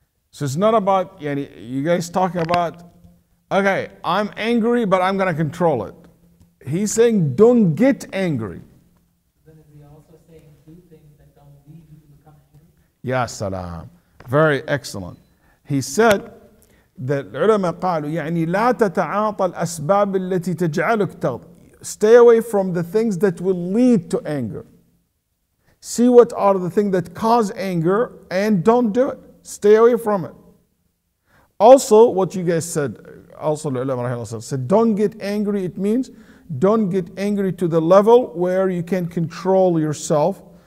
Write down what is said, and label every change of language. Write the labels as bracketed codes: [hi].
[en] So it's not about, you guys talking about, okay, I'm angry, but I'm going to control it. He's saying, don't get angry. Then is he also saying, do things that don't lead you to become angry? [ar] Ya salam. [en] Very excellent. He said that [ar] العلماء قالوا, يعني لا تتعاطى الأسباب التي تجعلك تغضب. [en] Stay away from the things that will lead to anger. See what are the things that cause anger and don't do it. Stay away from it. Also, what you guys said, also al-ulama rahimahullah said, don't get angry, it means don't get angry to the level where you can't control yourself.